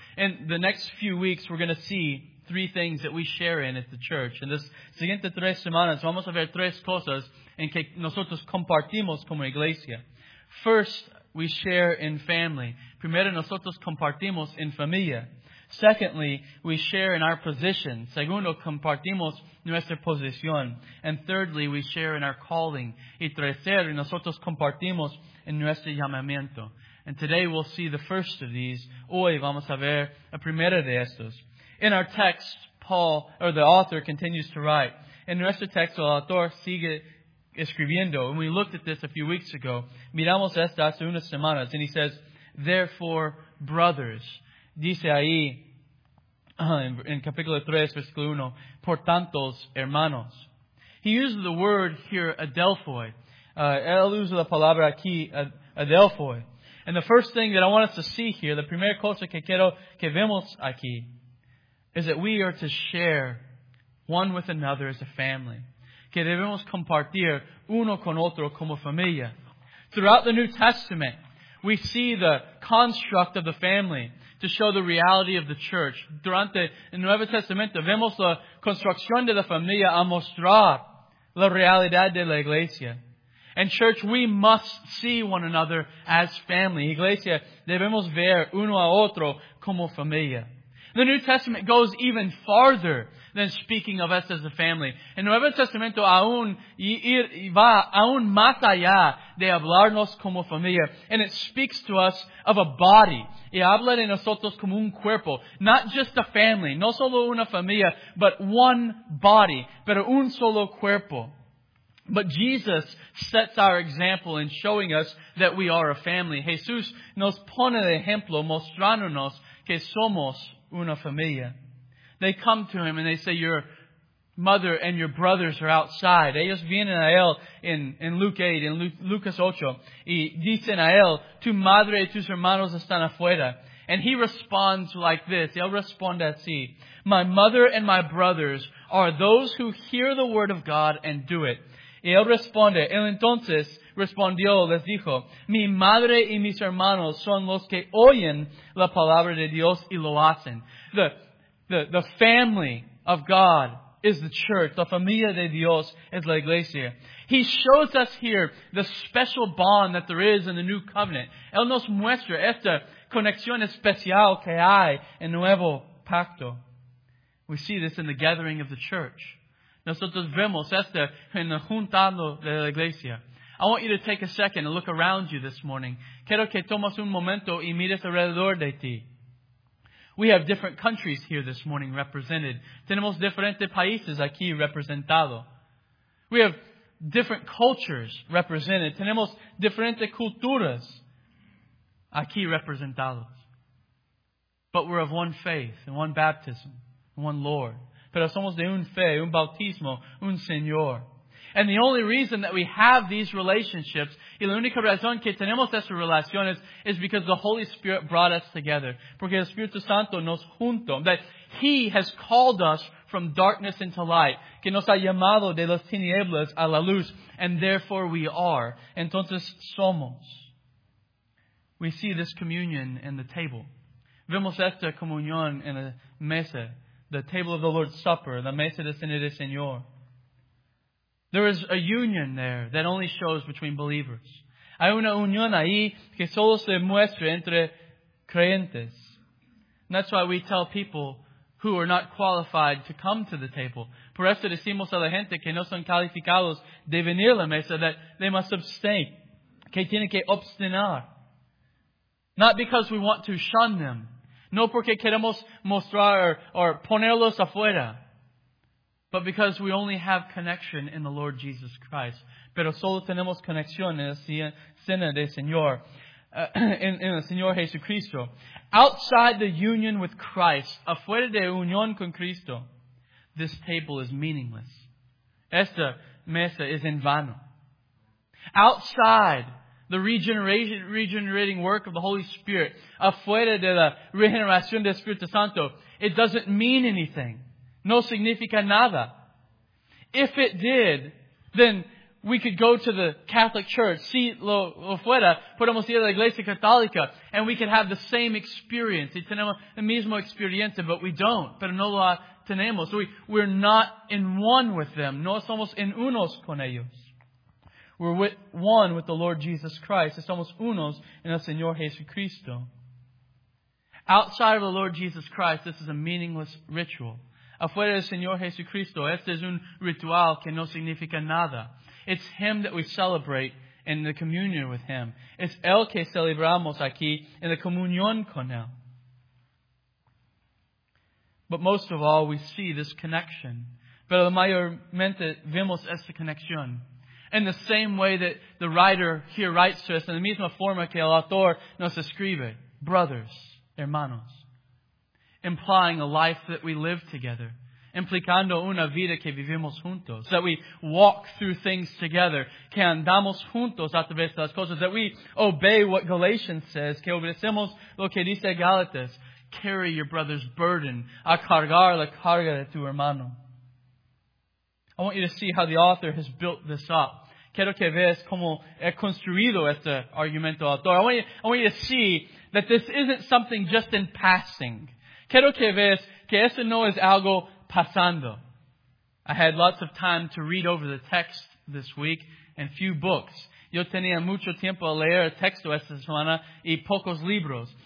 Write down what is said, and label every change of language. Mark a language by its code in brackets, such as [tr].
[en] In the next few weeks, we're going to see three things that we share in at the church. [es] En las siguientes tres semanas vamos a ver tres cosas en que nosotros compartimos como iglesia. [en] First, we share in family. [es] Primero, nosotros compartimos en familia. [en] Secondly, we share in our position. [es] Segundo, compartimos nuestra posición. [en] And thirdly, we share in our calling. [es] Y tercero, nosotros compartimos en nuestro llamamiento. [en] And today we'll see the first of these. [es] Hoy vamos a ver la primera de estos. [en] In our text, Paul, or the author, continues to write. [es] En nuestro texto, el autor sigue escribiendo. [en] And we looked at this a few weeks ago. [es] Miramos esto hace unas semanas. [en] And he says, therefore, brothers. [es] Dice ahí, en capítulo 3, versículo 1, por tantos hermanos. [en] He uses the word here, adelphoi. [es] Él usa la palabra aquí, adelphoi. [en] And the first thing that I want us to see here, [es] la primera cosa que quiero que vemos aquí, [en] is that we are to share one with another as a family. [es] Que debemos compartir uno con otro como familia. [en] Throughout the New Testament, we see the construct of the family to show the reality of the church. [es] Durante el Nuevo Testamento, vemos la construcción de la familia a mostrar la realidad de la iglesia. [en] And church, we must see one another as family. [es] Iglesia, debemos ver uno a otro como familia. [en] The New Testament goes even farther than speaking of us as a family. [es] El Nuevo Testamento aún va aún más allá de hablarnos como familia. [en] And it speaks to us of a body. [es] Y habla de nosotros como un cuerpo. [en] Not just a family. [es] No solo una familia, [en] but one body. [es] Pero un solo cuerpo. [en] But Jesus sets our example in showing us that we are a family. [es] Jesús nos pone el ejemplo mostrándonos que somos una familia. [en] They come to him and they say, your mother and your brothers are outside. [es] Ellos vienen a él [en] in Luke 8, [es] in Lucas 8. Y dicen a él, tu madre y tus hermanos están afuera. [en] And he responds like this. Él responde así. My mother and my brothers are those who hear the word of God and do it. [es] Y él responde, él entonces respondió, les dijo, mi madre y mis hermanos son los que oyen la palabra de Dios y lo hacen. [en] The family of God is the church. [es] La familia de Dios es la iglesia. [en] He shows us here the special bond that there is in the new covenant. [es] Él nos muestra esta conexión especial que hay en nuevo pacto. [en] We see this in the gathering of the church. [es] Nosotros vemos esto en la juntando de la iglesia. [en] I want you to take a second and look around you this morning. [es] Quiero que tomas un momento y mires alrededor de ti. [en] We have different countries here this morning represented. [es] Tenemos diferentes países aquí representado. [en] We have different cultures represented. [es] Tenemos diferentes culturas aquí representados. [en] but we're of one faith and one baptism, and one Lord. [es] Pero somos de un fe, un bautismo, un Señor. [en] And the only reason that we have these relationships, [es] y la única razón que tenemos estas relaciones, [en] is because the Holy Spirit brought us together. [es] Porque el Espíritu Santo nos juntó. [en] That He has called us from darkness into light. [es] Que nos ha llamado de las tinieblas a la luz. [en] And therefore we are. [es] Entonces somos. [en] We see this communion in the table. [es] Vemos esta comunión en la mesa. [en] The table of the Lord's Supper. [es] La mesa de cena del Señor. [en] There is a union there that only shows between believers. [es] Hay una unión ahí que solo se muestra entre creyentes. [en] And that's why we tell people who are not qualified to come to the table. [es] Por eso decimos a la gente que no son calificados de venir a la mesa, [en] that they must abstain, [es] que tienen que obstinar. Not because we want to shun them. No porque queremos mostrar or ponerlos afuera. [en] But because we only have connection in the Lord Jesus Christ. [es] Pero solo tenemos conexión en la cena del Señor. En el Señor Jesucristo. [en] Outside the union with Christ, [es] afuera de unión con Cristo, [en] this table is meaningless. [es] Esta mesa es en vano. [en] Outside the regenerating work of the Holy Spirit, [es] afuera de la regeneración del Espíritu Santo, [en] it doesn't mean anything. [es] No significa nada. [en] If it did, then we could go to the Catholic Church, [es] si lo fuera, podemos ir a la Iglesia Católica, [en] and we could have the same experience. [es] Y tenemos la misma experiencia, [en] but we don't. [es] Pero no la tenemos. [en] We're not in one with them. [es] No somos en unos con ellos. [en] We're with one with the Lord Jesus Christ. [es] Somos unos en el Señor Jesucristo. [en] Outside of the Lord Jesus Christ, this is a meaningless ritual. [es] Afuera del Señor Jesucristo, este es un ritual que no significa nada. [en] It's Him that we celebrate in the communion with Him. [es] It's Él que celebramos aquí en la comunión con Él. [en] But most of all, we see this connection. Pero mayormente vemos esta conexión. In the same way that the writer here writes to us, in the [es] misma forma que el autor nos escribe, [en] brothers, [es] hermanos. [en] Implying a life that we live together. [es] Implicando una vida que vivimos juntos. [en] That we walk through things together. [es] Que andamos juntos a través de las cosas. [en] That we obey what Galatians says. [es] Que obedecemos lo que dice Gálatas. [en] Carry your brother's burden. [es] A cargar la carga de tu hermano. [en] I want you to see how the author has built this up. [es] Quiero que veas cómo he construido este argumento autor. [en] I want you to see that this isn't something just in passing. [es] Quiero que veas que esto no es algo pasando. [en] I had lots of time to read over the text this week and few books. [es] Yo tenía mucho tiempo a leer el texto esta semana y pocos libros.